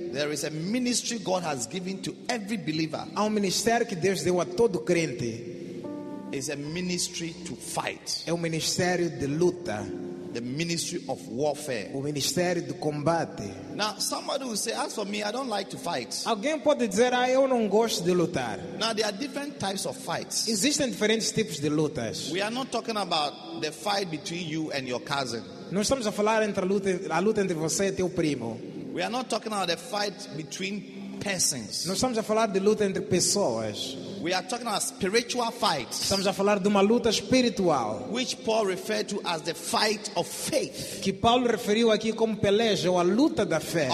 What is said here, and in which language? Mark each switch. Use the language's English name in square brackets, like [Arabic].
[English] There is a ministry God has given to every believer. [Portuguese] Há ministério que Deus deu a todo crente. [English] It's a ministry to fight. [Portuguese] É ministério de luta. [English] The ministry of warfare. [Portuguese] O ministério do combate. [English] Now, somebody will say, as for me, I don't like to fight. [Portuguese] Alguém pode dizer, ah, eu não gosto de lutar. [English] Now, there are different types of fights. [Portuguese] Existem diferentes tipos de lutas. [English] We are not talking about the fight between you and your cousin. [Portuguese] Não estamos a falar entre a luta entre você e teu primo. [English] We are not talking about the fight between persons. [Portuguese] Não estamos a falar de luta entre pessoas. [English] We are talking about a spiritual fight. [Portuguese] Estamos a falar de uma luta espiritual. [English] Which Paul referred to as the fight of faith. [Portuguese] Que Paulo referiu aqui como peleja ou a luta da fé.